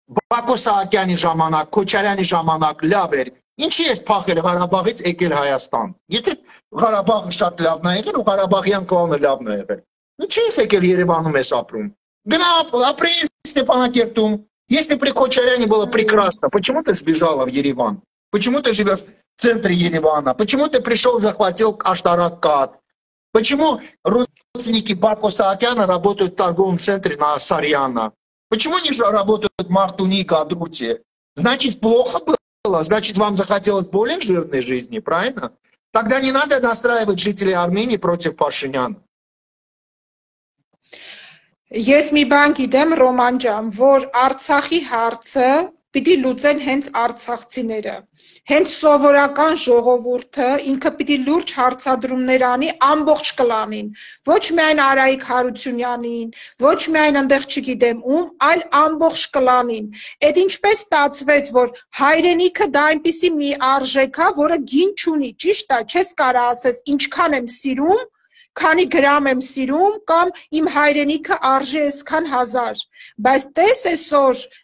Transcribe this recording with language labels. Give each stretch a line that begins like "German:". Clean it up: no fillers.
Armenian: Բակո Սահակյանի ժամանակ, Քոչարյանի ժամանակ լավ էր, ինչի՞ էս փախել Ղարաբաղից եկել Հայաստան։ Եթե Ղարաբաղը շատ լավն է եղել ու Ղարաբաղյան կողմը լավն է եղել, ինչի՞ էս եկել Երևանում էս ապրում։ Գնա ապրեի Ստեփանակերտում,
Russian: если при Քոչարյանի было прекрасно, почему ты сбежала в Ереван? Почему ты живёшь в центре Еревана? Почему ты пришёл, захватил Аштаракат? Почему родственники Бако Саакяна работают в торговом центре на Сарьяна? Почему они работают в Мартуни и Кадрути? Значит, плохо было? Значит, вам захотелось более жирной жизни, правильно? Тогда не надо настраивать жителей Армении против Пашиняна.
Armenian: Ես մի բան գիտեմ, Ռոման ջան, որ Արցախի հարցը պիտի լուծեն հենց արցախցիները։ Հենց սովորական ժողովուրդը ինքը պիտի լուրջ հարցադրումներ անի ամբողջ կլանին, ոչ միայն Արայիկ Հարությունյանին, ոչ միայն այնտեղ չգիտեմ ում, այլ ամբողջ կլանին։ Այդ ինչպես ստացվեց, որ հայրենիքը դա այնպիսի մի արժեք է, որը գին չունի, ճիշտ է, չես կարող ասես, ինչքան եմ սիրում, քանի գրամ եմ սիրում կամ իմ հայրենիքը արժե այսքան հազար։ Բայց տես այսօր